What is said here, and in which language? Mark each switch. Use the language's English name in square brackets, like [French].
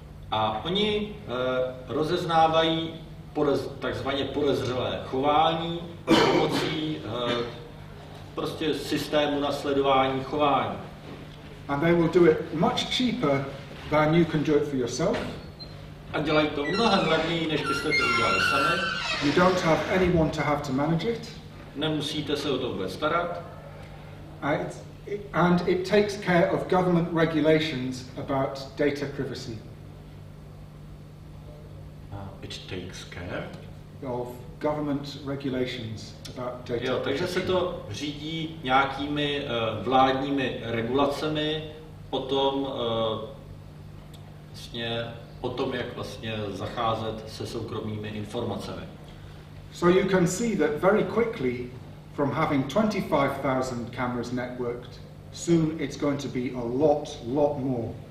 [Czech] A oni rozeznávají takzvané podezřelé chování pomocí prostě systému nasledování chování. [English] And they will do it much cheaper than you can do it for yourself. [Czech] A dělají to mnohem levněji, než byste to udělali sami. [English] You don't have anyone to have to manage it. [Czech] Nemusíte se o to vůbec starat. [English] And it takes care of government regulations about data privacy. It takes care of government regulations about data [Czech] privacy. Jo, takže se to řídí nějakými vládními regulacemi o tom, vlastně o tom, jak vlastně zacházet se soukromými informacemi. [English] So you can see that very quickly from having 25,000 cameras networked, soon it's going to be a lot more.